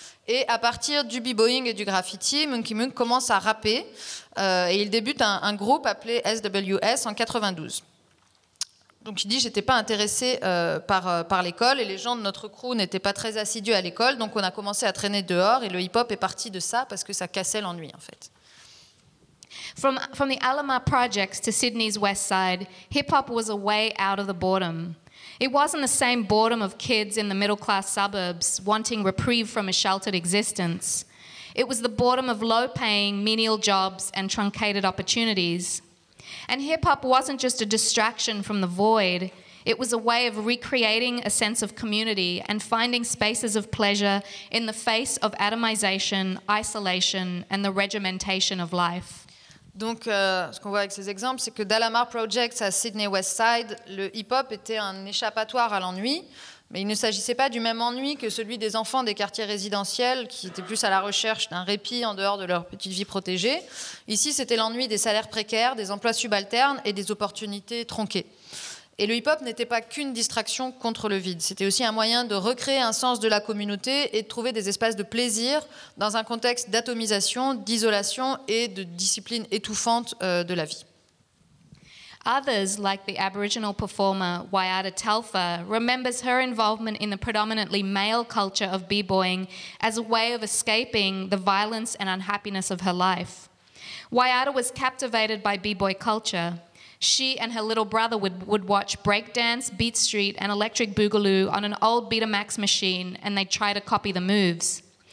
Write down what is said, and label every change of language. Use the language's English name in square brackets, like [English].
[French] Et à partir du b-boying et du graffiti, Monkey Muck commence à rapper et il débute un groupe appelé SWS en 92. Donc il dit « j'étais pas intéressé par l'école et les gens de notre crew n'étaient pas très assidus à l'école, donc on a commencé à traîner dehors et le hip-hop est parti de ça parce que ça cassait l'ennui en fait. » [English] From the Alamar projects to Sydney's West Side, hip-hop was a way out of the boredom. It wasn't the same boredom of kids in the middle-class suburbs wanting reprieve from a sheltered existence. It was the boredom of low-paying, menial jobs and truncated opportunities. And hip-hop wasn't just a distraction from the void. It was a way of recreating a sense of community and finding spaces of pleasure in the face of atomization, isolation, and the regimentation of life. [French] Donc, ce qu'on voit avec ces exemples, c'est que d'Alamar Projects à Sydney West Side, le hip-hop était un échappatoire à l'ennui, mais il ne s'agissait pas du même ennui que celui des enfants des quartiers résidentiels qui étaient plus à la recherche d'un répit en dehors de leur petite vie protégée. Ici, c'était l'ennui des salaires précaires, des emplois subalternes et des opportunités tronquées. Et le hip-hop n'était pas qu'une distraction contre le vide. C'était aussi un moyen de recréer un sens de la communauté et de trouver des espaces de plaisir dans un contexte d'atomisation, d'isolation et de discipline étouffante de la vie. [English] Others, like the Aboriginal performer Wyatta Telfer, remembers her involvement in the predominantly male culture of b-boying as a way of escaping the violence and unhappiness of her life. Wyatta was captivated by b-boy culture. She and her little brother would watch breakdance, Beat Street, and Electric Boogaloo on an old Betamax machine, and they'd try to copy the moves.